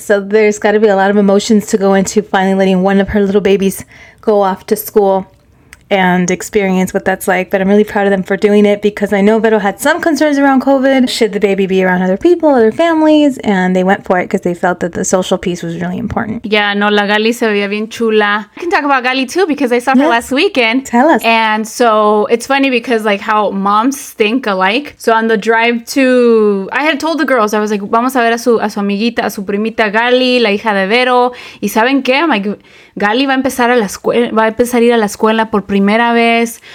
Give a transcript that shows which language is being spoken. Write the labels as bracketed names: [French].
[English] So there's got to be a lot of emotions to go into finally letting one of her little babies go off to school. and experience what that's like, but I'm really proud of them for doing it because I know Beto had some concerns around COVID. Should the baby be around other people, other families? And they went for it because they felt that the social piece was really important. [Spanish] Yeah, no, la Gali se veía bien chula. [English] I can talk about Gali too because I saw her last weekend. Tell us. And so it's funny because like how moms think alike. So on the drive to, I had told the girls, I was like, [Spanish] vamos a ver a su amiguita, a su primita Gali, la hija de Beto. Y saben qué? [English] I'm like, [Spanish] Gali va a empezar a ir a la escuela por primera vez.